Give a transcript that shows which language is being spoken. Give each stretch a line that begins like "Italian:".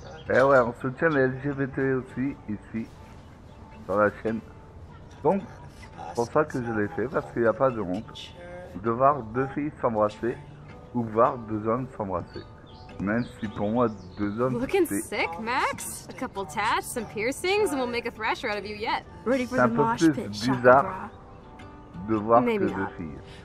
French: Eh ouais, on soutient les LGBT aussi, ici, dans la chaîne. Donc, c'est pour ça que je l'ai fait, parce qu'il n'y a pas de honte de voir deux filles s'embrasser ou voir deux hommes s'embrasser. Même si pour moi, deux hommes.
English: Looking sick, Max? A couple tats, some piercings, and we'll make a thrasher out of you yet. Ready for the mosh pit,
French: c'est un peu plus bizarre de voir que deux filles.